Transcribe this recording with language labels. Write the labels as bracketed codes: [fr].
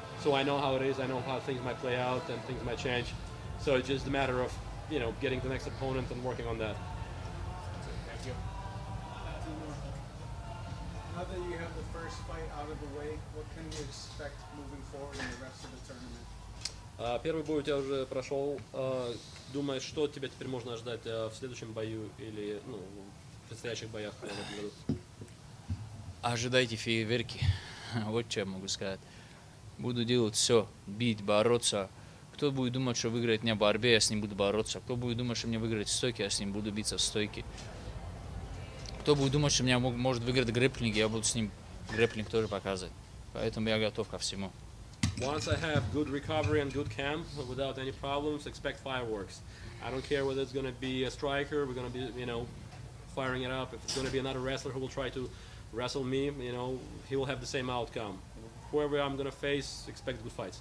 [en] So I know how it is, I know how things might play out and things might change. So it's just a matter of, you know, getting the next opponent and working on that. Thank you. Now that you have the first fight out of the way, what can you expect moving forward in the rest of the tournament? [ru] Первый бой у тебя уже прошел. Думаешь, что тебя теперь можно ожидать в следующем бою или ну, в предстоящих боях? Ожидайте фейерверки. Вот что я могу сказать. Буду делать все. Бить, бороться. Кто будет думать, что выиграет меня в борьбе, я с ним буду бороться. Кто будет думать, что мне выиграть в стойке, я с ним буду биться в стойке. Кто будет думать, что меня может выиграть грэпплинг, я буду с ним грэпплинг тоже показывать. Поэтому я готов ко всему. [en] Once I have good recovery and good camp without any problems, expect fireworks. I don't care whether it's going to be a striker, we're going to be, you know, firing it up. If it's going to be another wrestler who will try to wrestle me, you know, he will have the same outcome. Whoever I'm going to face, expect good fights.